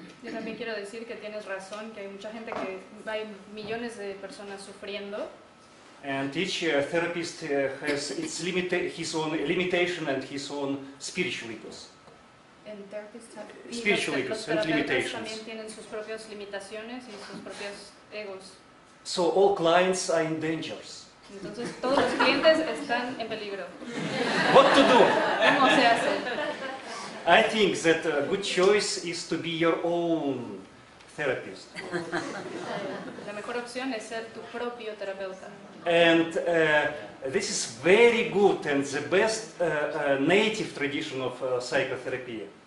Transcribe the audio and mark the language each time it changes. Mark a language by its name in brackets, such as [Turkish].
[Spanish] Yo también quiero decir que tienes razón, que hay mucha gente que hay millones de personas sufriendo. [English] And each therapist has its his own limitation and his own spiritual egos. And therapists have spiritual egos and limitations. [Spanish] También tienen sus propias limitaciones y sus propios egos. [English] So all clients are in danger. [Spanish] Entonces todos los clientes están en peligro. [English] What to do? [Spanish] ¿Cómo se hace? [English] I think that a good choice is to be your own therapist. [Spanish] La mejor opción es ser tu propio terapeuta. [English] And this is very good and the best native tradition of psychotherapy.